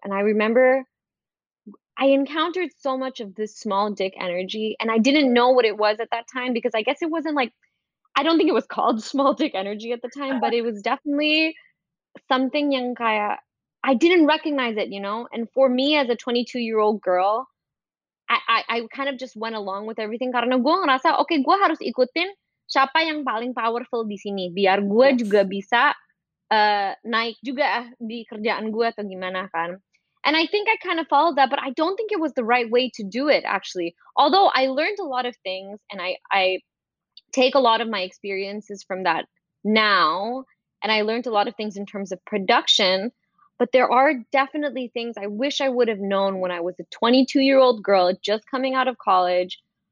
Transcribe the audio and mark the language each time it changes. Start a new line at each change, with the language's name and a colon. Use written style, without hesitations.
English: And I remember I encountered so much of this small dick energy, and I didn't know what it was at that time, because I guess it wasn't like, I don't think it was called small dick energy at the time, but it was definitely something
Indonesian: yang kayak,
English: I didn't recognize it, you know? And for me as a 22-year-old girl, I kind of just went along with everything.
Indonesian: Karena gue ngerasa, okay, gue harus ikutin siapa yang paling powerful di sini. Biar gue yes. juga bisa naik juga di kerjaan gue atau gimana kan.
English: And I think I kind of followed that, but I don't think it was the right way to do it, actually. Although I learned a lot of things, and I take a lot of my experiences from that now. And I learned a lot of things in terms of production. But there are definitely things I wish I would have known when I was a 22-year-old girl just coming out of college.